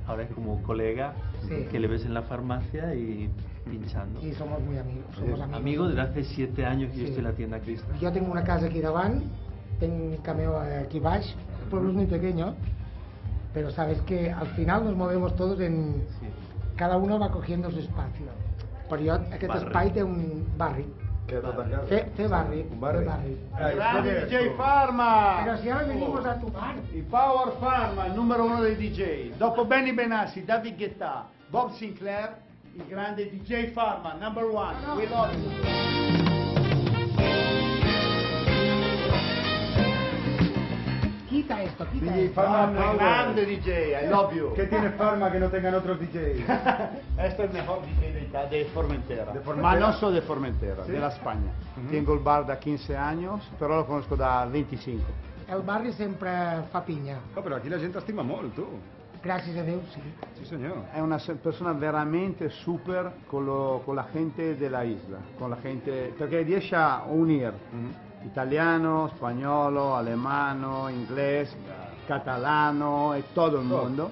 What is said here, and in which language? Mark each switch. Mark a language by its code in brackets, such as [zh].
[es] Ahora es como colega que le ves en la farmacia y pinchando. Y somos muy amigos. Somos amigos. Amigo desde hace 7 años que yo estoy en la tienda Crista. Yo tengo una casa [ca] aquí davant, [es] tengo un cameo [ca] aquí baix, [es] el pueblo es muy pequeño, pero sabes que al final nos movemos todos en... Cada uno va cogiendo su espacio. [ca] periodo, aquest espai té un barri. Que tot té barri. Un barri. Gran DJ Farma! Però si ara venim a tu bar. [it] I Power Farma, número uno dei DJ. Dopo Benny Benassi, David Guetta, Bob Sinclair, il grande DJ Farma, [en] number one. [it] No, no. [en] We love you. [es] Quita esto, quita DJ esto. Grande DJ, [en] I love you. [es] Que tiene Farma que no tengan otros DJs. Esto es mejor DJ de Formentera. De Formentera. Ma no soy de Formentera, sí. De la España. Uh-huh. Tengo el bar da 15 años, pero lo conozco da 25. [ca] El barri sempre fa pinya. No, però aquí la gent t'estima molt, tu. Gràcies a Déu, sí. Sí, senyor. És [es] una persona veramente super con la gente de la isla. Con la gente... [ca] Perquè [it] riesce a unir. Uh-huh. Italiano, spagnolo, alemano, inglés, catalano, [ca] e tot el món.